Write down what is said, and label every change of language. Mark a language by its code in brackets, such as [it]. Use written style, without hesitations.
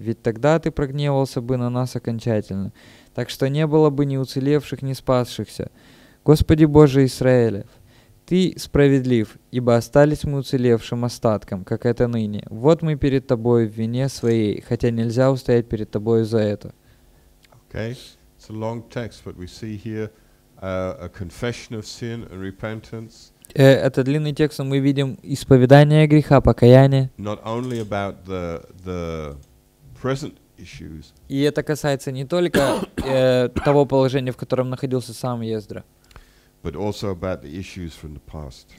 [ru] Ведь тогда Ты прогневался бы на нас окончательно, так что не было бы ни уцелевших, ни спасшихся. Господи Боже Израилев, Ты справедлив, ибо остались мы уцелевшим остатком, как это ныне. Вот мы перед Тобой в вине своей, хотя нельзя устоять перед Тобой за это». [en] Okay. It's a long text, but we see here a confession of sin and repentance. [ru] Это длинный текст, но мы видим исповедание греха, покаяние. [en] Not only about the present issues. [ru] И это касается не только того положения, в котором находился сам Ездра. [en] But also about the issues from the past.